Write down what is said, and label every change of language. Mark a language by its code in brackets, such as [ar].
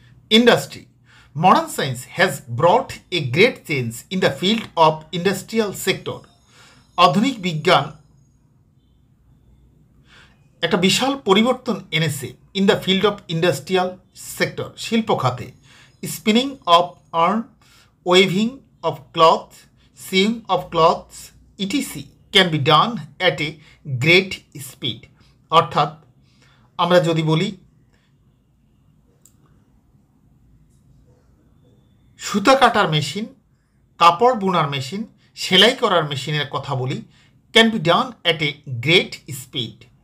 [en] industry, modern science has brought a great change in the field of industrial sector, [bn] আধুনিক বিজ্ঞান একটা বিশাল পরিবর্তন এনেছে [en] In the field of industrial sector, শিল্পখাতে। Spinning of yarn, weaving of cloth, sewing of cloths, etc. can be done at a great speed. [bn] অর্থাৎ আমরা যদি বলি সুতা কাটার মেশিন, কাপড় বোনার মেশিন, সেলাই করার মেশিনের কথা বলি, [en] can be done at a great speed.